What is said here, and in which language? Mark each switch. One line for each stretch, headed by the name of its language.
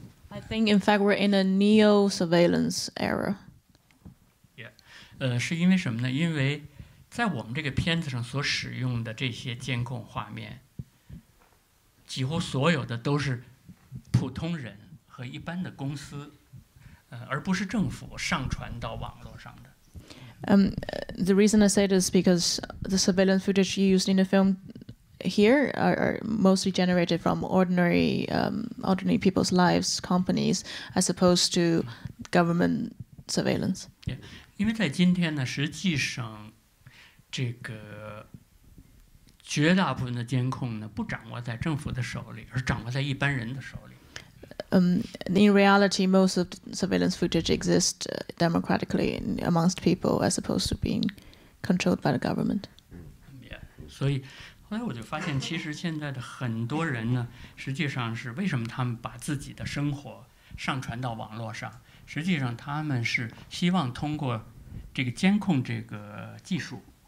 English: I think, in fact, we're in a neo-surveillance era.
Chinese: Yeah. 是因为什么呢？因为在我们这个片子上所使用的这些监控画面，几乎所有的都是普通人和一般的公司，而不是政府上传到网络上的。
English: The reason I say this is because the surveillance footage used in the film here are mostly generated from ordinary people's lives, companies, as opposed to government surveillance.
Chinese: Yeah, 因为在今天呢，实际上这个绝大部分的监控呢，不掌握在政府的手里，而掌握在一般人的手里。
English: In reality, most of the surveillance footage exists democratically amongst people, as opposed to being controlled by the government.
Chinese: Yeah, 所以后来我就发现，其实现在的很多人呢，实际上是为什么他们把自己的生活上传到网络上？实际上他们是希望通过这个监控这个技术，